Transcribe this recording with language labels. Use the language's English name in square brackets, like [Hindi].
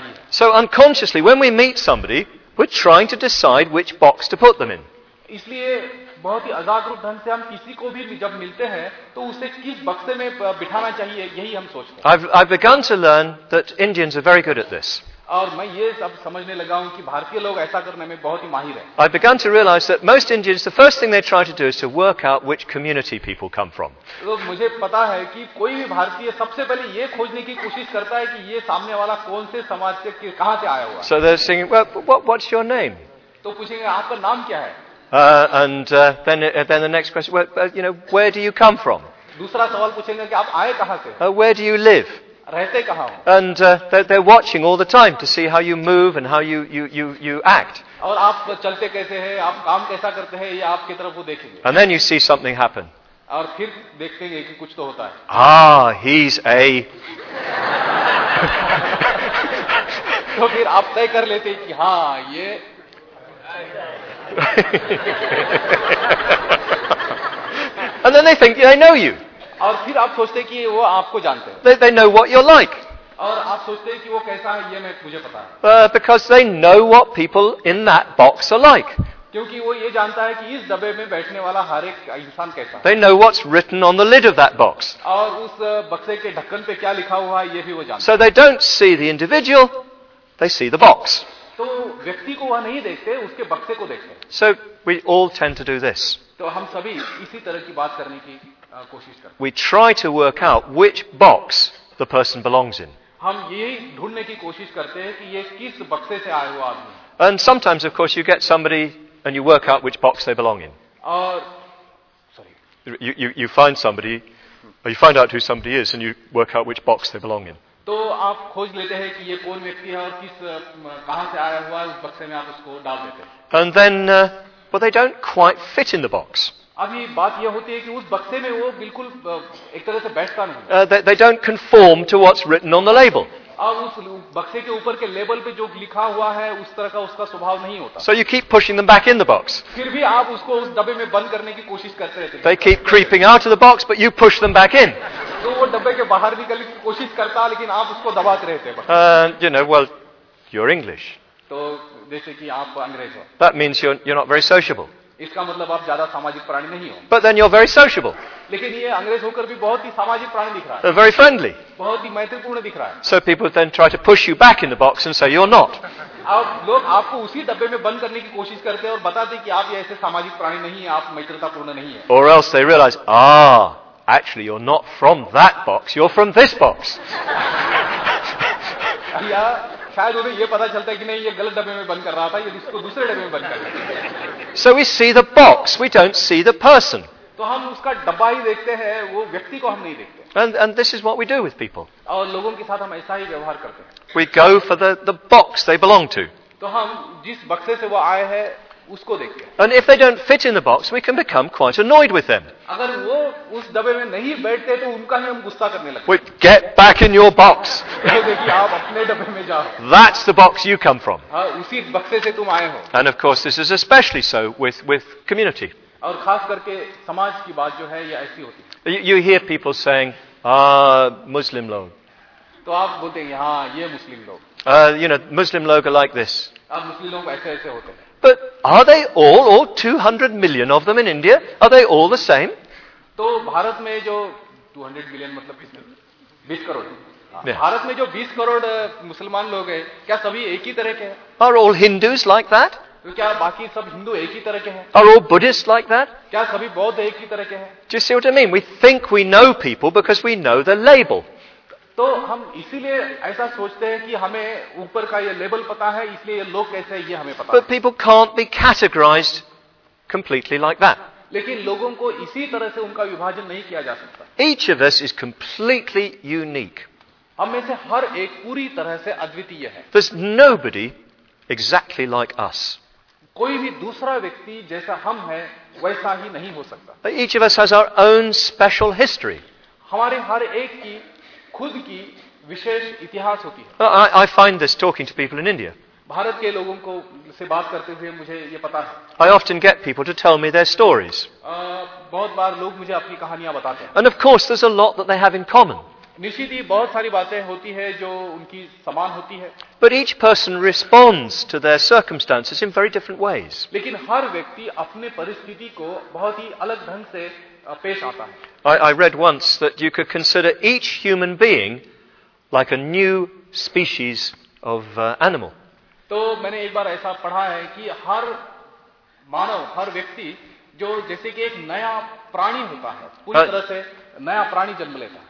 [English] So unconsciously, when we meet somebody, we're trying to decide which box to put them in. [Hindi] बहुत ही अजाग रूप ढंग से हम किसी को भी जब मिलते हैं तो उसे किस बक्से में बिठाना चाहिए यही हम सोचते हैं. [English] I've begun to learn that Indians are very good at this. [Hindi] और मैं ये सब समझने लगा हूं कि भारतीय लोग ऐसा करने में बहुत ही माहिर हैं. [English] I've begun to realize that most Indians, the first thing they try to do is to work out which community people come from. [Hindi] तो मुझे पता है कि कोई भी भारतीय सबसे पहले ये खोजने की कोशिश करता है कि ये सामने वाला कौन से समाज से कहां से आया हुआ है. [English] So they're saying, what's your name? [Hindi] तो पूछेंगे आपका नाम क्या है. [English] Then the next question, where do you come from? [Hindi] दूसरा सवाल पूछेंगे कि आप आए कहाँ से? [English] Where do you live? [Hindi] रहते कहाँ? [English] And they're watching all the time to see how you move and how you act. [Hindi] और आप चलते कैसे हैं? आप काम कैसा करते हैं? ये आपकी तरफ वो देखेंगे. [English] And then you see something happen. [Hindi] और फिर देखेंगे कि कुछ तो होता है. [English] He's a. [Hindi] तो फिर आप तय कर लेते हैं कि हाँ ये. [English] And then they think they know you. [Hindi] और फिर आप सोचते हैं कि वो आपको जानते हैं. [English] They know what you're like. [Hindi] और आप सोचते हैं कि वो कैसा है ये मुझे पता है. [English] Because they know what people in that box are like. [Hindi] क्योंकि वो ये जानता है कि इस डब्बे में बैठने वाला हर एक इंसान कैसा है. [English] They know what's written on the lid of that box. [Hindi] और उस बक्से के ढक्कन पे क्या लिखा हुआ है ये भी वो जानता है. [English] So they don't see the individual, they see the box. [Hindi] तो व्यक्ति को वह नहीं देखते उसके बक्से को देखते. [English] So we all tend to do this. [Hindi] तो हम सभी इसी तरह की बात करने की कोशिश करते. [English] We try to work out which box the person belongs in. [Hindi] हम ये ढूंढने की कोशिश करते हैं कि ये किस बक्से से आया हुआ आदमी. [English] And sometimes of course you get somebody and you work out which box they belong in. You find somebody, or you find out who somebody is and you work out which box they belong in. [Hindi] तो आप खोज लेते हैं कि ये कौन व्यक्ति है और किस कहां से आया हुआ है उस बक्से में आप उसको डाल देते हैं. [English] And then, but they don't quite fit in the box. [Hindi] अभी बात ये होती है कि उस बक्से में वो बिल्कुल एक तरह से बैठता नहीं. [English] They don't conform to what's written on the label. [Hindi] अब उस बक्से के ऊपर के लेबल पे जो लिखा हुआ है उस तरह का उसका स्वभाव नहीं होता. [English] So you keep pushing them back in the box. [Hindi] फिर भी आप उसको उस डब्बे में बंद करने की कोशिश करते रहते. [English] They keep creeping out of the box, but you push them back in. [Hindi] तो वो डब्बे के बाहर निकलने की कोशिश करता लेकिन आप उसको दबाते रहते. [English] You're English. [Hindi] तो जैसे कि आप अंग्रेज हो. [English] That means you're not very sociable. [Hindi] इसका मतलब आप ज्यादा सामाजिक प्राणी नहीं हो. [English] But then you're very sociable. [Hindi] लेकिन ये अंग्रेज होकर भी बहुत ही सामाजिक प्राणी दिख रहा है. [English] They're very friendly. [Hindi] बहुत ही मैत्रीपूर्ण दिख रहा है. [English] So people then try to push you back in the box and say you're not. [Hindi] आप लोग आपको उसी डब्बे में बंद करने की कोशिश करते हैं और बताते हैं कि आप ये ऐसे सामाजिक प्राणी नहीं है, आप मैत्रीपूर्ण नहीं है. [English] Or else they realize, ah, actually you're not from that box, you're from this box. [Hindi] या शायद उन्हें ये पता चलता है कि नहीं ये गलत डब्बे में बंद कर रहा था, ये इसको दूसरे डब्बे में बंद कर रहा था. [English] So we see the box, we don't see the person. [Hindi] तो हम उसका डब्बा ही देखते हैं, वो व्यक्ति को हम नहीं देखते. [English] And this is what we do with people. [Hindi] और लोगों के साथ हम ऐसा ही व्यवहार करते हैं. [English] We go for the box they belong to. [Hindi] तो हम जिस बक्से से वो आए हैं उसको देखते हैं. [English] And if they don't fit in the box, we can become quite annoyed with them. [Hindi] अगर वो उस डब्बे में नहीं बैठते तो उनका ही हम गुस्सा करने लगते. [English] We get back in your box. [Hindi] देखिए आप अपने डब्बे में जाओ. [English] That's the box you come from. [Hindi] उसी बक्से से तुम आए हो. [English] And of course this is especially so with community. [Hindi] और खास करके समाज की बात जो है ये ऐसी होती है. [English] You hear people saying, [Hindi] Muslim log. तो आप बोलते हैं हाँ ये मुस्लिम लोग. [English] You know, [Hindi] Muslim log [English] are like this. [Hindi] अब मुस्लिम लोग ऐसे ऐसे होते हैं. [English] But are they all 200 million of them in India? Are they all the same? [Hindi] तो भारत में जो 200 million मतलब 20 करोड़. [English] Yeah. [Hindi] भारत में जो 20 करोड़ मुसलमान लोग हैं, क्या सभी एक ही तरह के हैं? [English] Are all Hindus like that? [Hindi] क्या बाकी सब हिंदू एक ही तरह के हैं? [English] Are all Buddhists like that? [Hindi] क्या सभी बौद्ध एक ही तरह के हैं? [English] Do you see what I mean? We think we know people because we know the label. [Hindi] तो हम इसीलिए ऐसा सोचते हैं कि हमें ऊपर का ये लेबल पता है, इसलिए ये लोग कैसे हैं ये हमें पता है. [English] But people can't be categorized completely like that. [Hindi] लेकिन लोगों को इसी तरह से उनका विभाजन नहीं किया जा सकता. [English] Each of us is completely unique. [Hindi] हम में से हर एक पूरी तरह से अद्वितीय है. [English] There's nobody exactly like us. [Hindi] कोई भी दूसरा व्यक्ति जैसा हम है वैसा ही नहीं हो सकता. [English] But each of us has our own special history. [Hindi] हमारे हर एक की खुद की विशेष इतिहास होती है. [English] I find this talking to people in India. [Hindi] Bharat के लोगों को से बात करते हुए मुझे ये पता है. [English] I often get people to tell me their stories. [Hindi] बहुत बार लोग मुझे अपनी कहानियां बताते हैं. [English] And of course there's a lot that they have in common. [Hindi] निश्चित ही बहुत सारी बातें होती है जो उनकी समान होती है. [English] But each person responds to their circumstances in very different ways. [Hindi] लेकिन हर व्यक्ति अपने परिस्थिति को बहुत ही अलग ढंग से पेश आता है. [English] I read once that you could consider each human being like a new species of animal. [Hindi] तो मैंने एक बार ऐसा पढ़ा है कि हर मानव हर व्यक्ति जो जैसे कि एक नया प्राणी होता है पूरी तरह से नया प्राणी जन्म लेता है.